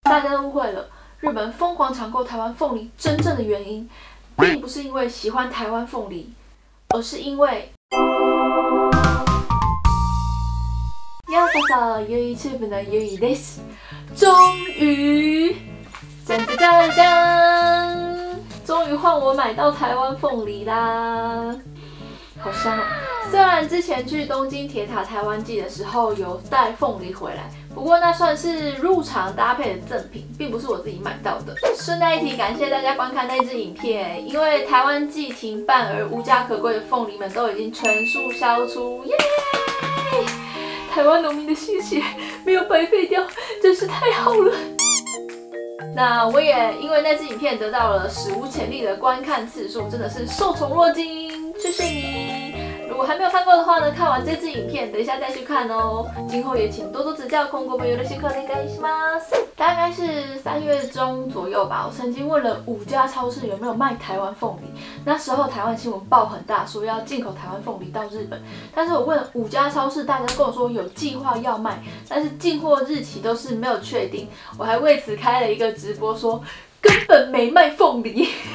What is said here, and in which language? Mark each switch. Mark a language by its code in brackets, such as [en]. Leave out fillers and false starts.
[zh] 大家都误会了，日本疯狂抢购台湾凤梨真正的原因，并不是因为喜欢台湾凤梨，而是因为。 [ja] ようこそ YouTube のゆいです。 [zh] 终于，噔噔噔噔，终于换我买到台湾凤梨啦！好香哦。虽然之前去东京铁塔台湾祭的时候有带凤梨回来，不过那算是入场搭配的赠品，并不是我自己买到的。顺带一提，感谢大家观看那支影片，因为台湾祭停办而无家可归的凤梨们都已经全数销出，耶！台湾农民的心血没有白费掉，真是太好了。那我也因为那支影片得到了史无前例的观看次数，真的是受宠若惊，谢谢你。如果还没有看过的话呢，看完这支影片，等一下再去看哦。今后也请多多指教， [ja] 今後もよろしくお願いします。 [zh] 大概是三月中左右吧，我曾经问了五家超市有没有卖台湾凤梨。那时候台湾新闻报很大，说要进口台湾凤梨到日本。但是我问了五家超市，大家跟我说有计划要卖，但是进货日期都是没有确定。我还为此开了一个直播说，根本没卖凤梨。